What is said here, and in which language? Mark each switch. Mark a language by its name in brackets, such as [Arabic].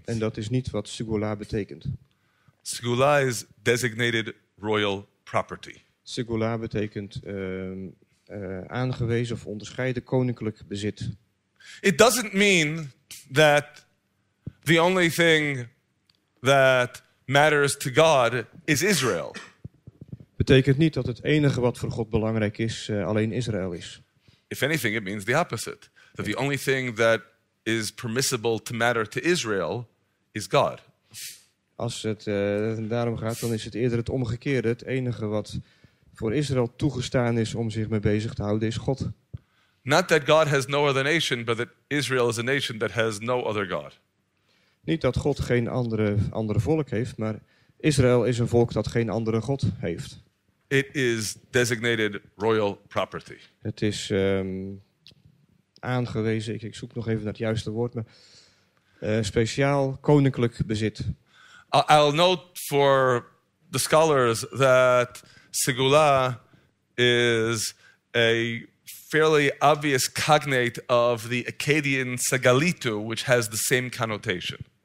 [Dutch] En dat is niet wat segula betekent. [English] Segula is designated royal property. [Dutch] Segula betekent aangewezen of onderscheiden koninklijk bezit. [English] It doesn't mean that the only thing that matters to God is Israel. [Dutch] Betekent niet dat het enige wat voor God belangrijk is alleen Israël is. [English] If anything, it means the opposite. That the only thing that is permissible to matter to Israel is God. [Dutch] Als het daarom gaat, dan is het eerder het omgekeerde. Het enige wat voor Israël toegestaan is om zich mee bezig te houden, is God. [English] Not that God has no other nation, but that Israel is a nation that has no other God. [Dutch] Niet dat God geen andere volk heeft, maar Israël is een volk dat geen andere God heeft. [English] It is designated royal property. [Dutch] Het is aangewezen, ik zoek nog even naar het juiste woord, maar speciaal koninklijk bezit. [English] I'll note for the scholars that segula is a fairly obvious cognate of the Akkadian segalitu, which has the same connotation.